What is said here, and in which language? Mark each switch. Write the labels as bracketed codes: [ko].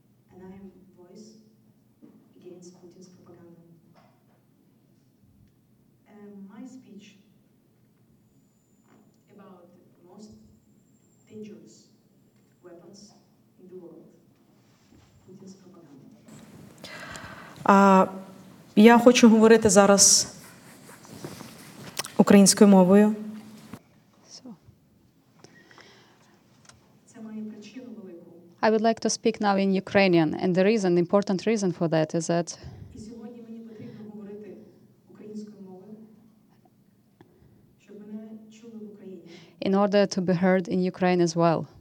[en] And I am voice against Putin's propaganda. My speech about the most dangerous weapons in the world, Putin's propaganda. [uk] Я хочу говорити зараз українською мовою. [en] I would like to speak now in Ukrainian, and the reason, the important reason for that is that in order to be heard in Ukraine as well.